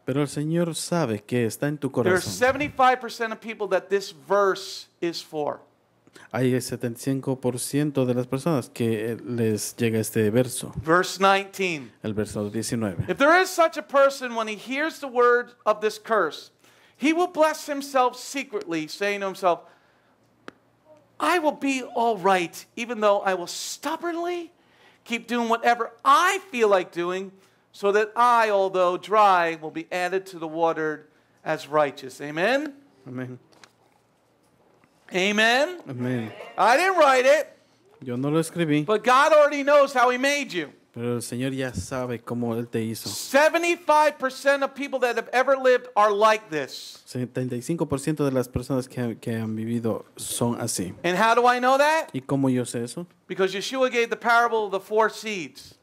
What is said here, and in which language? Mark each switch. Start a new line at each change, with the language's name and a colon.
Spanish: Pero el Señor sabe que está en tu corazón.
English: There are 75% of people that this verse is for.
Spanish: Hay 75% de las personas que les llega este verso.
English: Verse 19.
Spanish: El verso 19.
English: If there is such a person when he hears the word of this curse, he will bless himself secretly, saying to himself, I will be all right, even though I will stubbornly keep doing whatever I feel like doing, so that I, although dry, will be added to the watered as righteous. Amen? Amen. Amen? Amen. I didn't write it.
Spanish: Yo no lo escribí.
English: But God already knows how he made you.
Spanish: Pero el Señor ya sabe cómo él te hizo.
English: 75% of people that have ever lived are like this.
Spanish: 75% de las personas que han vivido son así.
English: And how do I know that?
Spanish: ¿Y cómo yo sé eso?
English: Because Yeshua gave the parable of the four seeds.